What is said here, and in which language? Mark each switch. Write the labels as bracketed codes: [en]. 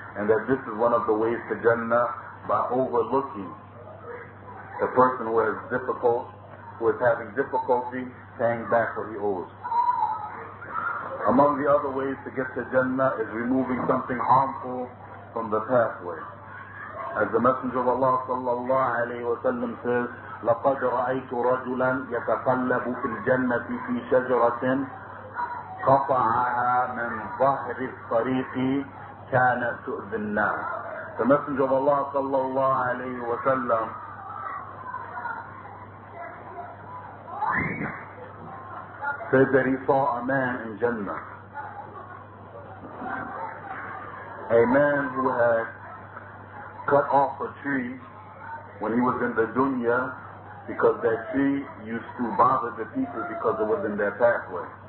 [en] And that this is one of the ways to Jannah, by overlooking the person who is difficult, who is having difficulty paying back what he owes. Among the other ways to get to Jannah is removing something harmful from the pathway. As the Messenger of Allah sallallahu alayhi wa sallam says, [ar] لَقَدْ رَأَيْتُ رَجُلًا يَتَقَلَّبُ فِي الْجَنَّةِ فِي شَجْرَةٍ قَطَعَهَا مِنْ ظَهْرِ الطَّرِيقِ كَانَ تُؤْذِ النَّاسِ. [en] The Messenger of Allah sallallahu alayhi wa sallam said that he saw a man in Jannah. A man who had cut off a tree when he was in the dunya because that tree used to bother the people because it was in their pathway.